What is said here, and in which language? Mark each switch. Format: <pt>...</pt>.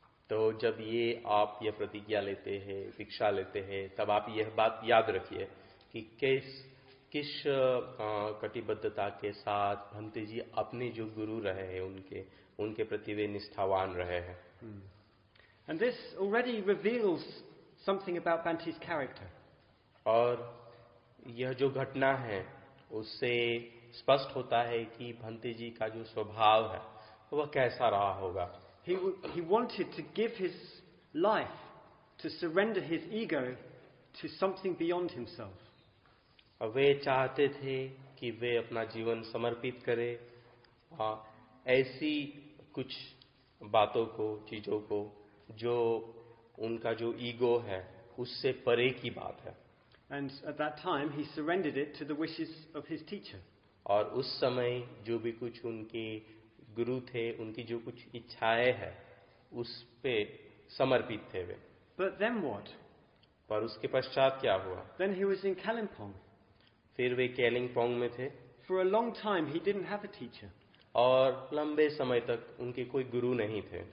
<hi>तो जब ये आप यह प्रतिज्ञा लेते हैं, दीक्षा लेते हैं, तब आप यह बात याद रखिए कि किस कटिबद्धता के साथ भंते जी अपने जो गुरु रहे हैं उनके प्रति वे निष्ठावान रहे हैं.</hi> <en>And this already reveals something about Bante's character.</en> <hi>और यह जो घटना है उससे स्पष्ट होता है कि भंते जी का जो स्वभाव है वह कैसा रहा होगा.</hi> <en>He wanted to give his life, to surrender his ego to something beyond himself.</en> <hi>वे चाहते थे कि वे अपना जीवन समर्पित करें ऐसी कुछ बातों को, चीजों को, जो उनका जो ईगो है उससे परे की बात है.</hi> <en>And at that time he surrendered it to the wishes of his teacher.</en> <hi>और उस समय जो भी कुछ उनके गुरु थे, उनकी जो कुछ इच्छाएं है उस पे समर्पित थे वे.</hi> <en>But then what?</en> <hi>पर उसके पश्चात क्या हुआ?</hi> <en>Then he was in Kalimpong.</en> <hi>फिर वे कैलिंगपोंग में थे.</hi> <en>For a long time he didn't have a teacher.</en> <hi>और लंबे समय तक उनके कोई गुरु नहीं थे.</hi>